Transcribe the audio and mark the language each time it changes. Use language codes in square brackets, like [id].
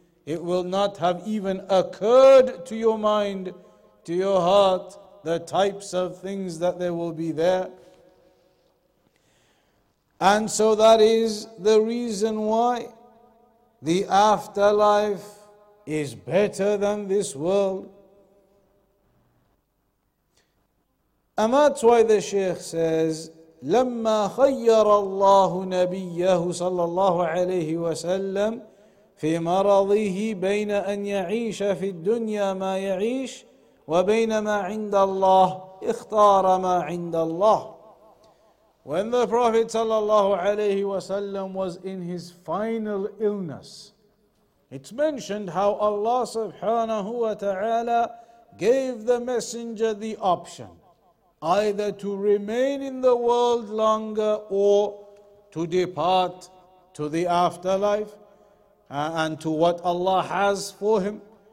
[en] It will not have even occurred to your mind, to your heart, the types of things that there will be there. And so that is the reason why the afterlife is better than this world. [ar] And that's why the Shaykh says, لما خير الله نبيه صلى الله عليه وسلم في مرضه بين أن يعيش في الدنيا ما يعيش وبين ما عند الله اختار ما عند الله. [en] When the Prophet صلى الله عليه وسلم was in his final illness, it's mentioned how Allah سبحانه وتعالى gave the messenger the option either to remain in the world longer or to depart to the afterlife and to what Allah has for him.